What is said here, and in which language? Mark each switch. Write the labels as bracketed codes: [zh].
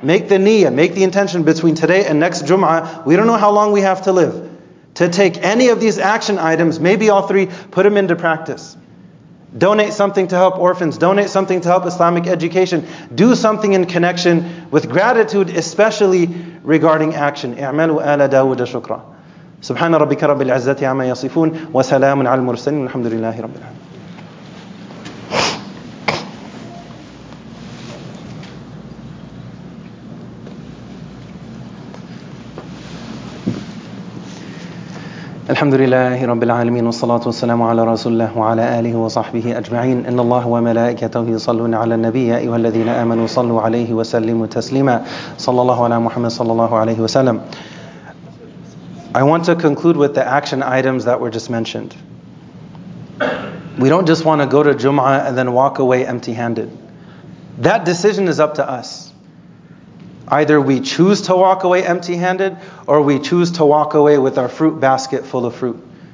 [en] Make the niyyah, make the intention between today and next Jum'ah. We don't know how long we have to live. to take any of these action items, maybe all three, put them into practice. Donate something to help orphans. Donate something to help Islamic education. Do something in connection with gratitude, especially regarding action. [ar] اعملوا آل داود شكرا. سبحان ربك رب العزة عما يصفون وسلام على المرسلين الحمد لله رب العالمين. الحمد لله رب العالمين والصلاة والسلام على رسول الله وعلى آله وصحبه أجمعين إن الله وملائكته يصلون على النبي يا أيها الذين آمنوا صلوا عليه وسلموا تسليما صلى الله على محمد صلى الله عليه وسلم. [en] I want to conclude with the action items that were just mentioned. We don't just want to go to Jum'ah and then walk away empty-handed. That decision is up to us. Either we choose to walk away empty-handed or we choose to walk away with our fruit basket full of fruit.